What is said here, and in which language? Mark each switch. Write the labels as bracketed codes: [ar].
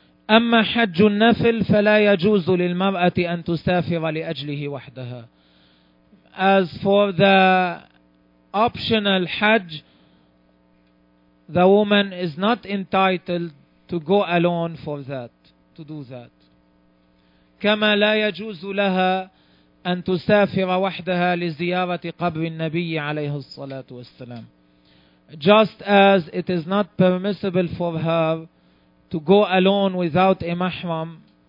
[ar] أما حج النفل فلا يجوز للمرأة أن تسافر لأجله وحدها. [en] As for the optional Hajj, the woman is not entitled to go alone for that, to do that. [ar] كما لا يجوز لها أن تسافر وحدها لزيارة قبر النبي عليه الصلاة والسلام. [en] Just as it is not permissible for her to go alone without a mahram